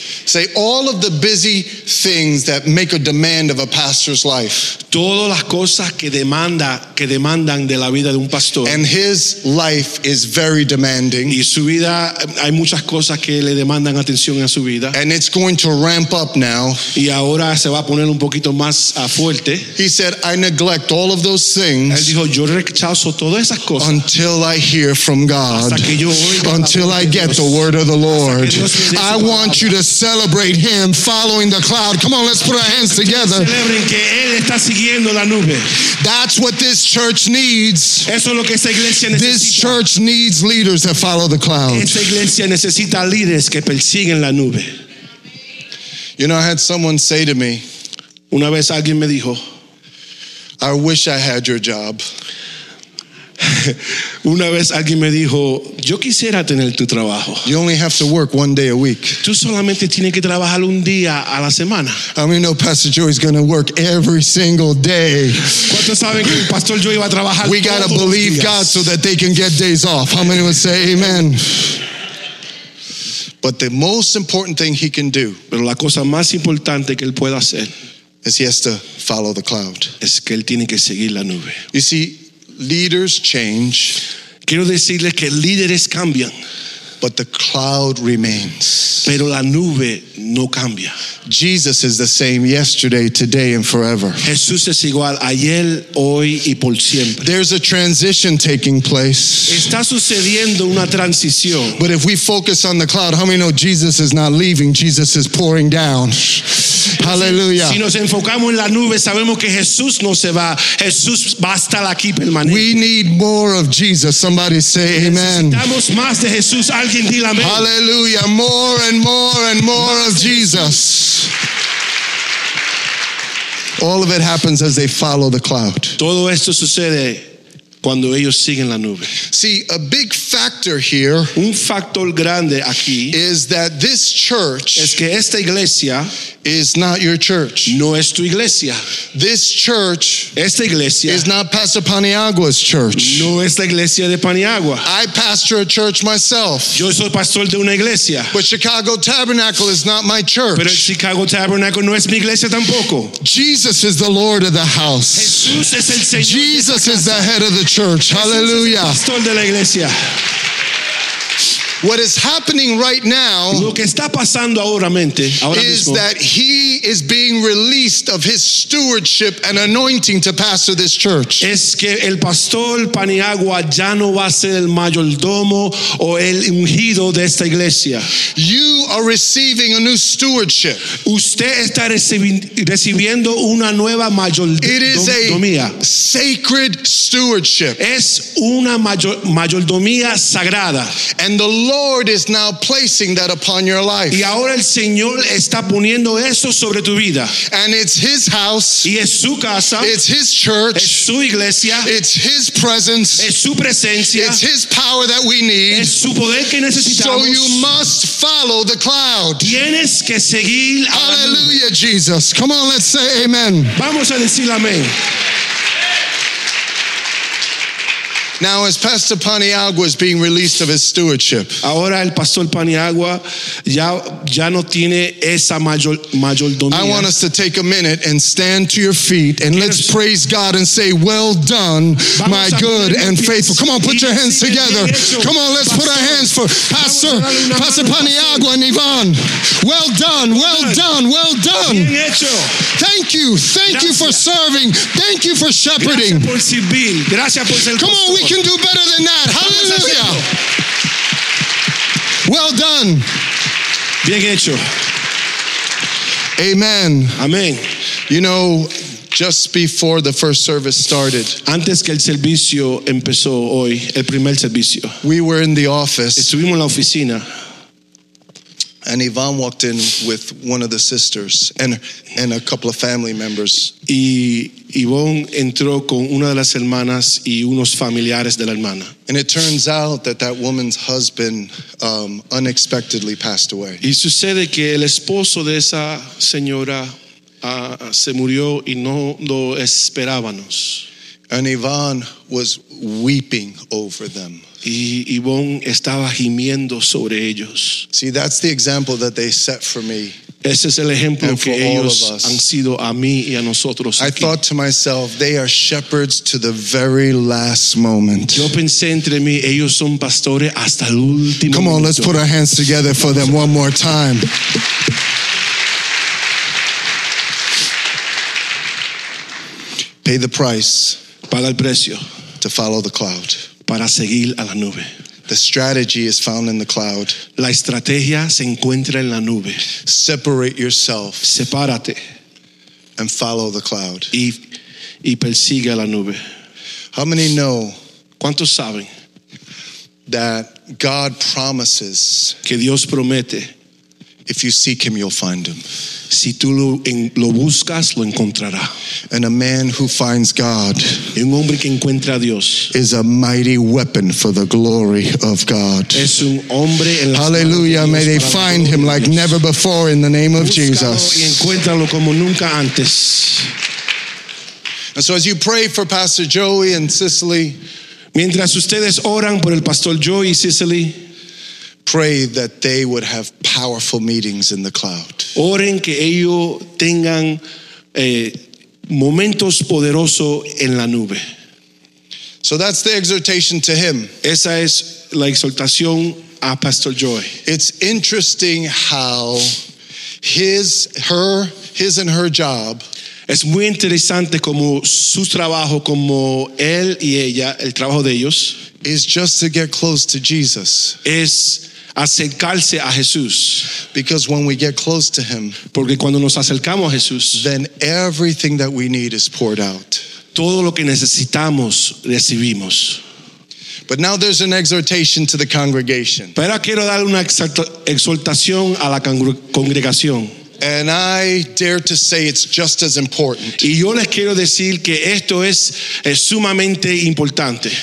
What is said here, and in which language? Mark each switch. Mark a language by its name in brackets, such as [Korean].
[English] Say all of the busy things that make a demand of a pastor's life. [Spanish] Todas las cosas que demandan de la vida de un pastor. [English] And his life is very demanding. [Spanish] Y su vida hay muchas cosas que le demandan atención en su vida. [English] And it's going to ramp up now. [Spanish] Y ahora se va a poner un poquito más fuerte. [English] He said, "I neglect all of those things." [Spanish] Él dijo, yo rechazo todas esas cosas. [English] Until I hear from God. [Spanish] Hasta que yo [English] until I get [Spanish] Dios. [English] The word of the Lord. I want [Spanish] palabra. [English] You to celebrate him following the cloud. Come on, let's put our hands together. [Spanish] Celebren que él está siguiendo la nube. [English] That's what this church needs. [Spanish] Eso es lo que esta iglesia necesita. [English] This church needs leaders that follow the cloud. [Spanish] Esta iglesia necesita líderes que persiguen la nube. [English] You know, I had someone say to me, [Spanish] una vez alguien me dijo, [English] I wish I had your job. [Spanish] Una vez alguien me dijo, yo quisiera tener tu trabajo. [English] You only have to work one day a week. [Spanish] Tú solamente tienes que trabajar un día a la semana. [English] How many know Pastor Joey's going to work every single day? [Spanish] ¿Cuántos saben que Pastor Joey va a trabajar todos los días? [English] We got to believe God so that they can get days off. How many would say amen? But the most important thing he can do, [Spanish] pero la cosa más importante que él pueda hacer, [English] is he has to follow the cloud. [Spanish] Es que él tiene que seguir la nube. [English] You see, leaders change. [Spanish] Quiero decirles que líderes cambian. [English] But the cloud remains. [Spanish] Pero la nube no cambia. [English] Jesus is the same yesterday, today, and forever. [Spanish] Jesús es igual ayer, hoy y por siempre. [English] There's a transition taking place. [Spanish] Está sucediendo una transición. [English] But if we focus on the cloud, how many know Jesus is not leaving? Jesus is pouring down. Hallelujah. [Spanish] Si nos enfocamos en la nube, sabemos que Jesús no se va. Jesús va a estar aquí permanente. [English] We need more of Jesus. Somebody say amen. [Spanish] Necesitamos más de Jesús. Alguien diga amén. [English] Hallelujah. More and more and more of Jesus. All of it happens as they follow the cloud. [Spanish] Todo esto sucede cuando ellos siguen la nube. [English] See, a big factor here, [Spanish] un factor grande aquí, [English] is that this church, [Spanish] es que esta iglesia, [English] is not your church. [Spanish] No es tu iglesia. [English] This church, [Spanish] esta iglesia, [English] is not Pastor Paniagua's church. [Spanish] No es la iglesia de Paniagua. [English] I pastor a church myself. [Spanish] Yo soy pastor de una iglesia. [English] But Chicago Tabernacle is not my church. [Spanish] Pero el Chicago Tabernacle no es mi iglesia tampoco. [English] Jesus is the Lord of the house. [Spanish] Jesús es el Señor. [English] Jesus is the head of the church. Hallelujah. [Spanish] Jesús es el pastor de la iglesia. [English] What is happening right now, [Spanish] lo que está pasando ahora, mente, ahora [English] is [Spanish] mismo, [English] that he is being released of his stewardship and anointing to pastor this church. [Spanish] Es que el pastor Paniagua ya no va a ser el mayordomo o el ungido de esta iglesia. [English] You are receiving a new stewardship. [Spanish] Usted está recibiendo una nueva mayordomía. [English] It is a sacred stewardship. [Spanish] Es una mayordomía sagrada. [English] And the Lord is now placing that upon your life. [Spanish] Y ahora el Señor está poniendo eso sobre tu vida. [English] And it's his house. [Spanish] Y es su casa. [English] It's his church. [Spanish] Es su iglesia. [English] It's his presence. [Spanish] Es su presencia. [English] It's his power that we need. [Spanish] Es su poder que necesitamos. [English] So you must follow the cloud. [Spanish] Tienes que seguir. [English] Hallelujah, Jesus. Come on, let's say amen. [Spanish] Vamos a decir amén. [English] Now, as Pastor Paniagua is being released of his stewardship, [Spanish] ahora el pastor Paniagua ya no tiene esa mayordomía. [English] I want us to take a minute and stand to your feet and let's praise God and say, "Well done, my good and faithful." Come on, put your hands together. Come on, let's put our hands for Pastor Paniagua and Yvonne. Well done, well done, well done. Thank you for serving. Thank you for shepherding. Come on, we can do better than that. Hallelujah. Well done. [Spanish] Bien hecho. Amen. Amen. [English] You know, just before the first service started, [Spanish] antes que el servicio empezó hoy, el primer servicio, [English] we were in the office. [Spanish] Estuvimos en la oficina. [English] And Yvonne walked in with one of the sisters and a couple of family members. [Spanish] Y Yvonne entró con una de las hermanas y unos familiares de la hermana. [English] And it turns out that that woman's husband unexpectedly passed away. [Spanish] Y sucede que el esposo de esa señora se murió y no lo esperábamos. [English] And Yvonne was weeping over them. [Spanish] Y Yvonne estaba gimiendo sobre ellos. [English] See, that's the example that they set for me. [Spanish] Ese es el ejemplo que ellos han sido a mí y a nosotros aquí. [English] I thought to myself, they are shepherds to the very last moment. [Spanish] Yo pensé entre mí, ellos son pastores hasta el último momento. [English] Come on, let's put our hands together for them one more time. Pay the price. [Spanish] Paga el precio. [English] To follow the cloud. [Spanish] Para seguir a la nube. [English] The strategy is found in the cloud. [Spanish] La estrategia se encuentra en la nube. [English] Separate yourself. [Spanish] Sepárate. [English] And follow the cloud. [Spanish] Y persigue a la nube. [English] How many know? [Spanish] ¿Cuántos saben? [English] That God promises. [Spanish] Que Dios promete. [English] If you seek him, you'll find him. [Spanish] Si tú lo buscas, lo encontrará. [English] And a man who finds God, [Spanish] un hombre que encuentra a Dios, [English] is a mighty weapon for the glory of God. [Spanish] Es un hombre en la [English] Hallelujah, may they find him like [Spanish] Dios. [English] Never before in the name of Jesus. [Spanish] Y encuéntralo como nunca antes. [English] And so as you pray for Pastor Joey and Cicely, [Spanish] mientras ustedes oran por el Pastor Joey y Cicely, [English] pray that they would have powerful meetings in the cloud. [Spanish] Oren que ellos tengan momentos poderosos en la nube. [English] So that's the exhortation to him. [Spanish] Esa es la exhortación a Pastor Joy. [English] It's interesting how his and her job. [Spanish] Es muy interesante como su trabajo, como él y ella, el trabajo de ellos. [English] Is just to get close to Jesus. [Spanish] Es acercarse a Jesús. [English] Because when we get close to him, [Spanish] porque cuando nos acercamos a Jesús, [English] then everything that we need is poured out. [Spanish] Todo lo que necesitamos recibimos. [English] But now there's an exhortation to the congregation. [Spanish] Pero quiero dar una exhortación a la congregación. [English] And I dare to say it's just as important. [Spanish] Y yo les quiero decir que esto es sumamente importante.